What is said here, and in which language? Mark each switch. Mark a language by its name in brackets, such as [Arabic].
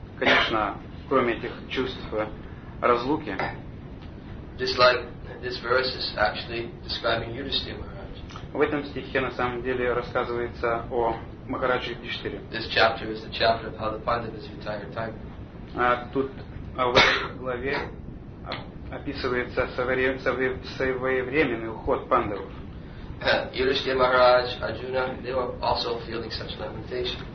[Russian] Конечно, кроме этих чувств разлуки. [English] Just like this verse is actually describing Yudhishthira Maharaj. [Russian] В этом стихе на самом деле рассказывается о Махараджи Юдхиштхире. [English] This chapter is the chapter of how the Pandavas retired time. [Russian] Тут в этой главе описывается своевременный уход пандавов. [English] Yudhishthira Maharaj, Arjuna, they were also feeling such lamentation.